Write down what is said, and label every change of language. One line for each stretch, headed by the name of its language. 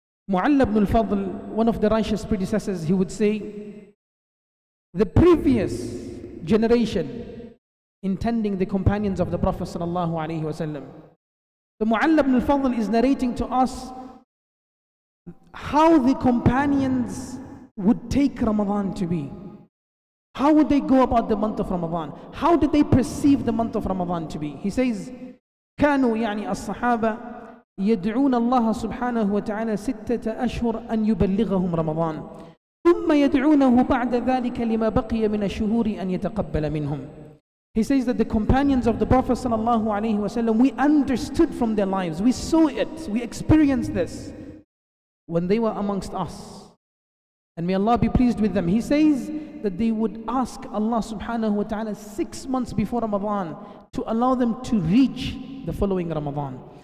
English: Mu'alla ibn al-Fadl, one of the righteous predecessors, he would say, the previous generation, intending the companions of the Prophet sallallahu alayhi wa sallam, the Mu'alla ibn al-Fadl is narrating to us how the companions would take Ramadan to be. How would they go about the month of Ramadan? How did they perceive the month of Ramadan to be? He says,
Arabic: كانوا يعني الصحابة يدعون الله سبحانه وتعالى ستة أشهر أن يبلغهم رمضان ثم يدعونه بعد ذلك لما بقي من الشهور أن يتقبل منهم.
English: He says that the companions of the Prophet sallallahu alaihi wasallam, we understood from their lives, we saw it, we experienced this when they were amongst us. And may Allah be pleased with them. He says that they would ask Allah subhanahu wa ta'ala 6 months before Ramadan to allow them to reach the following Ramadan.